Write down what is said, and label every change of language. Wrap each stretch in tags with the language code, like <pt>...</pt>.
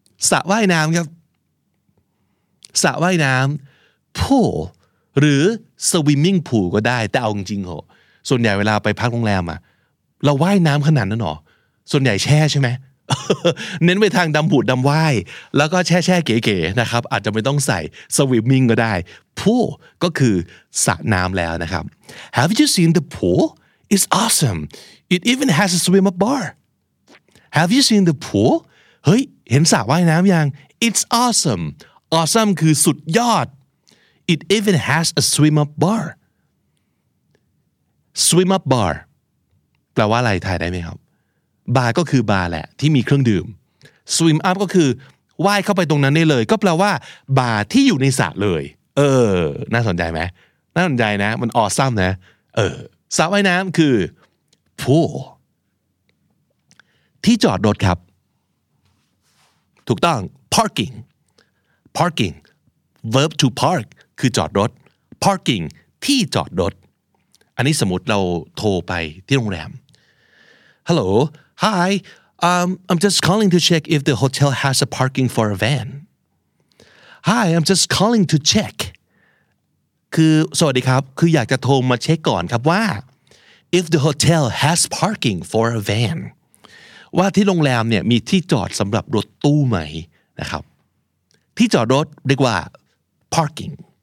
<th>สระว่ายน้ำครับสระว่ายน้ำ pool หรือ swimming pool ก็ได้แต่เอาจริงๆเหรอส่วนใหญ่เวลาไปพักโรงแรมอะเราว่ายน้ำขนาดนั้นหรอส่วนใหญ่แช่ใช่ไหมเน้นไปทางดำผุดดำว่ายแล้วก็แช่เก๋ๆนะครับอาจจะไม่ต้องใส่ swimming ก็ได้ pool ก็คือสระน้ำแล้วนะครับ</th> <en>Have you seen the pool? It's awesome. It even has a swim up bar. Have you seen the pool?</en> <th>เฮ้ยเห็นสระว่ายน้ำยัง</th> <en>It's awesome. Awesome</en> <th>คือสุดยอด</th> <en>It even has a swim up bar.</en> <th>Swim up barแปลว่าอะไรทายได้ไหมครับบาร์ก็คือบาร์แหละที่มีเครื่องดื่ม swim up ก็คือว่ายเข้าไปตรงนั้นได้เลยก็แปลว่าบาร์ที่อยู่ในสระเลยเออน่าสนใจไหมน่าสนใจนะมันออซัมนะเออสระว่ายน้ำคือ pool ที่จอดรถครับถูกต้อง parking verb to park คือจอดรถ parking ที่จอดรถอันนี้สมมติเราโทรไปที่โรงแรม</th> <en>Hello, hi, I'm just calling to check if the hotel has a parking for a van. Hi, I'm just calling to check.</en> <th>คือสวัสดีครับคืออยากจะโทรมาเช็คก่อนครับว่า</th> <en>if the hotel has parking for a van.</en> <th>ว่าที่โรงแรมเนี่ยมีที่จอดสำหรับรถตู้ไหมนะครับที่จอดรถเรียกว่า parking</th>